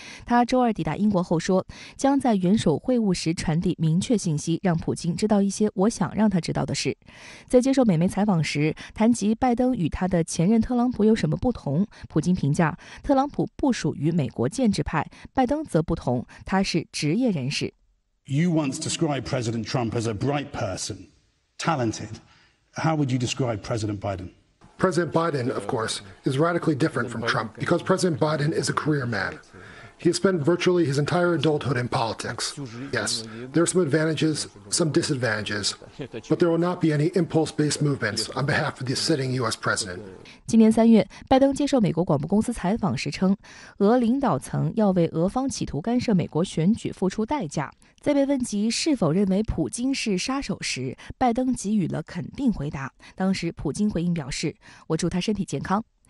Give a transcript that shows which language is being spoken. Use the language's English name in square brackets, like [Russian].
[Chinese] 他周二抵达英国后说，将在元首会晤时传递明确信息，让普京知道一些我想让他知道的事。在接受美媒采访时，谈及拜登与他的前任特朗普有什么不同，普京评价特朗普不属于美国建制派，拜登则不同，他是职业人士。 [English] You once described President Trump as a bright person, talented. How would you describe President Biden? President Biden, of course, is radically different from Trump because President Biden is a career man. He has spent virtually his entire adulthood in politics. Yes, there are some advantages, some disadvantages, but there will not be any impulse-based movements on behalf of the sitting U.S. president. [Chinese] 今年三月，拜登接受美国广播公司采访时称，俄领导层要为俄方企图干涉美国选举付出代价。在被问及是否认为普京是杀手时，拜登给予了肯定回答。当时普京回应表示，我祝他身体健康。